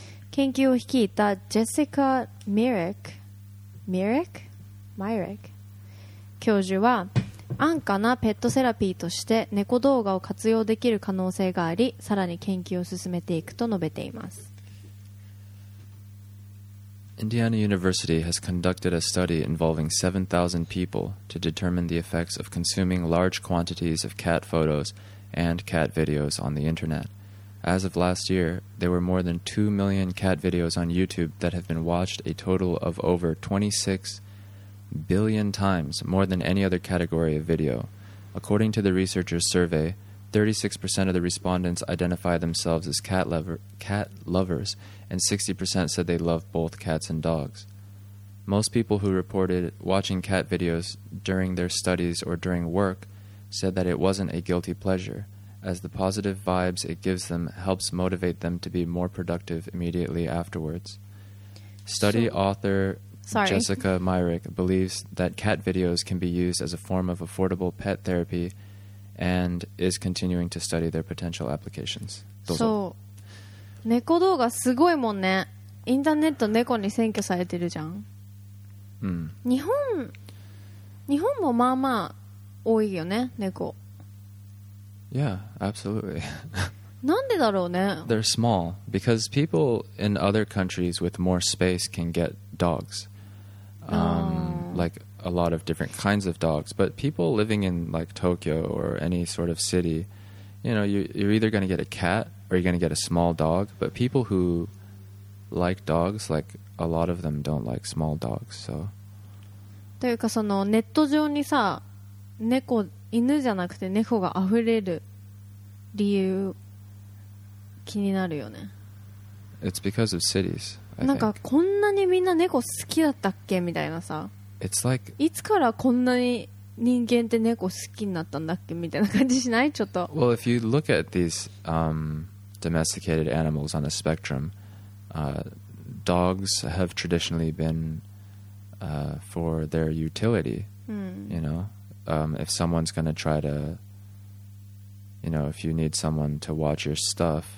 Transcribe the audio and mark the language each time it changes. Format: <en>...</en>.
<ja>研究を率いたジェシカ・ミレック教授は、安価なペットセラピーとして猫動画を活用できる可能性があり、さらに研究を進めていくと述べています。</ja> <en>Indiana University has conducted a study involving 7,000 people to determine the effects of consuming large quantities of cat photos and cat videos on the internet. As of last year, there were more than 2 million cat videos on YouTube that have been watched a total of over 26 billion times, more than any other category of video. According to the researchers' survey, 36% of the respondents identify themselves as cat lovers, and 60% said they love both cats and dogs. Most people who reported watching cat videos during their studies or during work said that it wasn't a guilty pleasure, as the positive vibes it gives them helps motivate them to be more productive immediately afterwards. Study author... Sorry. Jessica Myrick believes that cat videos can be used as a form of affordable pet therapy and is continuing to study their potential applications.</en> <ja>どうぞ。そう。猫動画すごいもんね。インターネット猫に占拠されてるじゃん。 Mm. 日本もまあまあ多いよね、猫。</ja> <en>Yeah, absolutely.</en> <ja>なんでだろうね。</ja> <en>They're small. Because people in other countries with more space can get dogs. Like a lot of different kinds of dogs, but people living in like Tokyo or any sort of city, you know, you're either going to get a cat or you're going to get a small dog. But people who like dogs, like a lot of them don't like small dogs. So,</en> <ja>というかそのネット上にさ、猫、犬じゃなくて猫が溢れる理由気になるよね。</ja> <en>It's because of cities.</en> <ja>なんかこんなにみんな猫好きだったっけみたいなさ、</ja> <en>like、</en> <ja>いつからこんなに人間って猫好きになったんだっけみたいな感じしない？ちょっと。</ja> <en>Well, if you look at these、domesticated animals on a spectrum,、dogs have traditionally been、for their utility.、 Mm. You know,、if someone's gonna try to, you know, if you need someone to watch your stuff.</en>